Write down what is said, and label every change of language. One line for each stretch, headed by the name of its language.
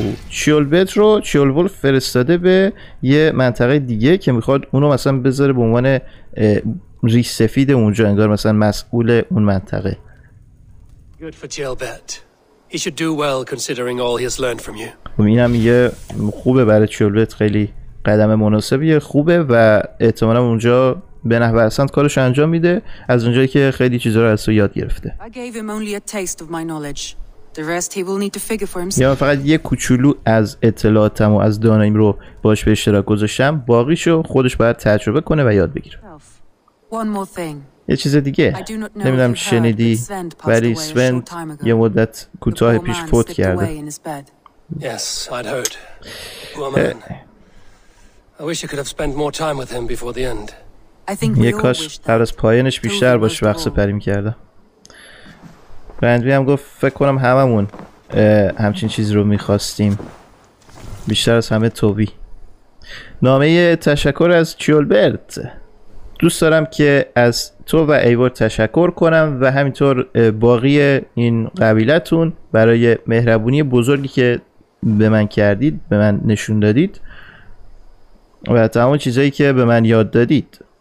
Persian: چیلبرت رو چیلولف فرستاده به یه منطقه دیگه که میخواد اونو مثلا بذاره به عنوان ریش سفید اونجا، انگار مثلا مسئول اون منطقه.
English: Good for Chilbert. He should do well considering all he has learned from you.
Persian: اینم یه خوبه برای Chilbert، خیلی قدم مناسبیه، خوبه و احتمالاً اونجا به نحو احسن کارش انجام میده از اونجایی که خیلی چیزا رو از تو یاد گرفته.
English: I gave him only a taste of my knowledge. The rest he will need to figure for himself.
Persian: یعنی فقط یه کوچولو از اطلاعاتم و از داناییم رو باهاش به اشتراک گذاشتم، باقیشو خودش باید تجربه کنه و یاد بگیره.
English: One more thing.
Persian: یه چیز دیگه. نمیدونم شنیدی ولی سوند یه مدت کوتاه پیش فوت کرده.
English: Yes, I'd heard. Woman. I wish I could have spent more time with him before the end. I think we all wish that.
Persian: از پایانش بیشتر باش وقت سپری می‌کردم. رندوی هم گفت فکر کنم هممون همچین چیز رو می‌خواستیم. بیشتر از همه توبی. نامه تشکر از Chilbert. دوست دارم که از تو و ایوار تشکر کنم و همینطور باقی این قبیلتون برای مهربونی بزرگی که به من کردید، به من نشون دادید و تمام چیزایی که به من یاد دادید.